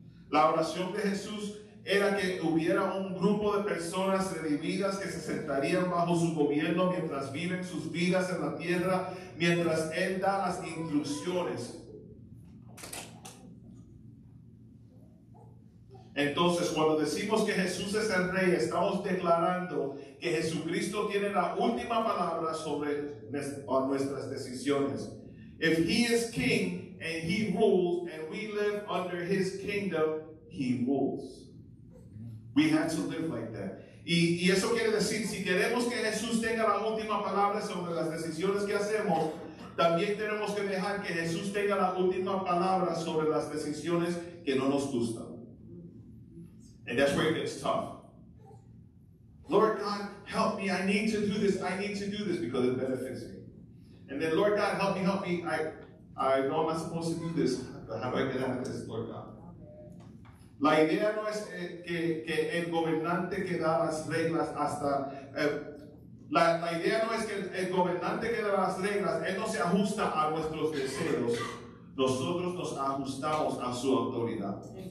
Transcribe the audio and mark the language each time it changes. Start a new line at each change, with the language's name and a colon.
Spanish: La oración de Jesús era que hubiera un grupo de personas redimidas que se sentarían bajo su gobierno mientras viven sus vidas en la tierra, mientras él da las instrucciones. Entonces, cuando decimos que Jesús es el rey, estamos declarando que Jesucristo tiene la última palabra sobre nuestras decisiones.
English: If he is king and he rules and we live under his kingdom, he rules. We have to live like that.
Spanish: Y eso quiere decir, si queremos que Jesús tenga la última palabra sobre las decisiones que hacemos, también tenemos que dejar que Jesús tenga la última palabra sobre las decisiones que no nos gustan.
English: And that's where it gets tough. Lord God, help me, I need to do this, because it benefits me. And then, Lord God, help me, I know I'm not supposed to do this, but how do I get out of this, Lord God?
Spanish: La idea no es que el gobernante que da las reglas hasta... La idea no es que el gobernante que da las reglas, él no se ajusta a nuestros deseos. nosotros nos ajustamos a su autoridad.